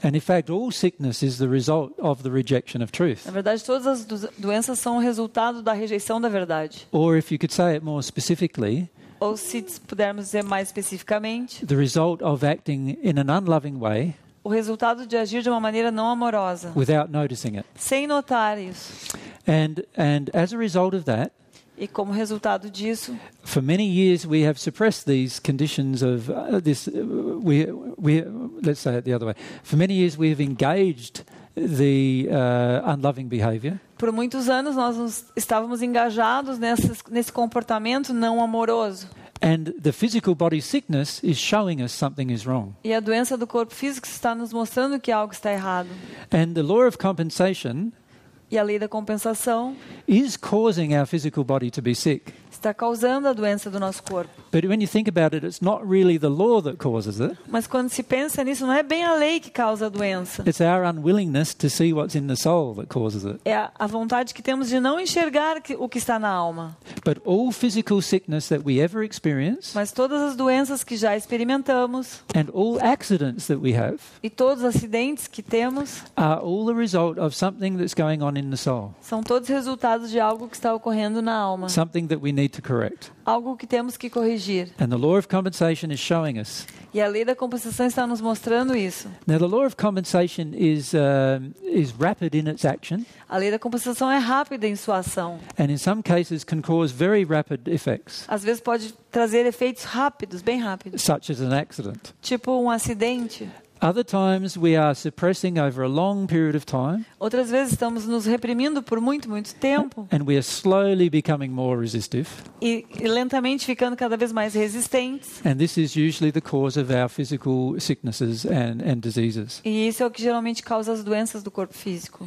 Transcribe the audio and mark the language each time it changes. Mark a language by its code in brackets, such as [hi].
[en] And in fact, all sickness is the result of the rejection of truth. [pt] Na verdade, todas as doenças são o resultado da rejeição da verdade. [en] Or if you could say it more specifically. [pt] Ou se pudermos dizer mais especificamente, [en] the result of acting in an unloving way, [pt] o resultado de agir de uma maneira não amorosa, [en] without noticing it, [pt] sem notar isso, [en] and as a result of that, [pt] e como resultado disso, [en] for many years we have suppressed these conditions of let's say it the other way, for many years we have engaged the unloving behavior. [pt] Por muitos anos nós estávamos engajados nesse comportamento não amoroso. [en] And the physical body sickness is showing us something is wrong. [pt] E a doença do corpo físico está nos mostrando que algo está errado. [en] And the law of compensation. [pt] E a lei da compensação. [en] Is causing our physical body to be sick. [pt] Está causando a doença do nosso corpo. [en] But when you think about it, it's not really the law that causes it. [pt] Mas quando se pensa nisso, não é bem a lei que causa a doença. [en] It's our unwillingness to see what's in the soul that causes it. [pt] É a vontade que temos de não enxergar o que está na alma. [en] But all physical sickness that we ever experience. [pt] Mas todas as doenças que já experimentamos. [en] And all accidents that we have. [pt] E todos os acidentes que temos. [en] Are all the result of something that's going on in the soul. [pt] São todos resultados de algo que está ocorrendo na alma. [en] Something that we need to correct. [pt] Algo que temos que corrigir. [en] And the law of compensation is showing us. [pt] E a lei da compensação está nos mostrando isso. [en] Now the law of compensation is rapid in its action. [pt] A lei da compensação é rápida em sua ação. [en] And in some cases can cause very rapid effects. [pt] Às vezes pode trazer efeitos rápidos, bem rápidos. [en] Such as an accident. [pt] Tipo acidente. [en] Other times we are suppressing over a long period of time. [pt] Outras vezes estamos nos reprimindo por muito, muito tempo. [en] And we are slowly becoming more resistive. [pt] E lentamente ficando cada vez mais resistentes. [en] And this is usually the cause of our physical sicknesses and diseases. [pt] E isso é o que geralmente causa as doenças do corpo físico.